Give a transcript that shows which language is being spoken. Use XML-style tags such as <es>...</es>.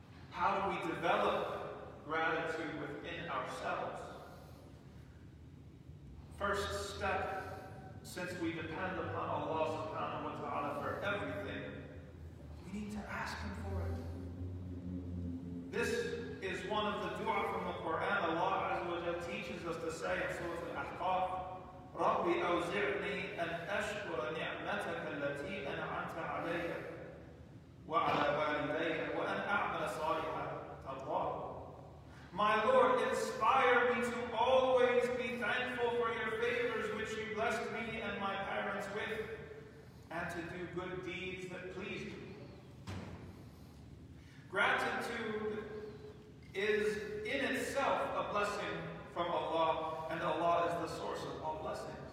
<en>How do we develop gratitude within ourselves? First step, since we depend upon Allah subhanahu wa ta'ala for everything, we need to ask Him for it. This is one of the dua from the Quran. Allah azza wa jalla teaches us to say in Surah Al-Ahqaf,</en> <ar>رَبِّ أَوْزِعْنِي أَنْ أَشْكُرَ نِعْمَتَكَ الَّتِي أَنْعَمْتَ عَلَيْهَا وَعَلَى وَالِدَيْهَا وَأَنْ أَعْمَلَ صَالِحًا تَرْضَاهُ.</ar> <en>My Lord, inspire me to always be thankful for your favors which you blessed me and my parents with, and to do good deeds that please you. Gratitude is in itself a blessing from Allah, and Allah is the source of all blessings.</en>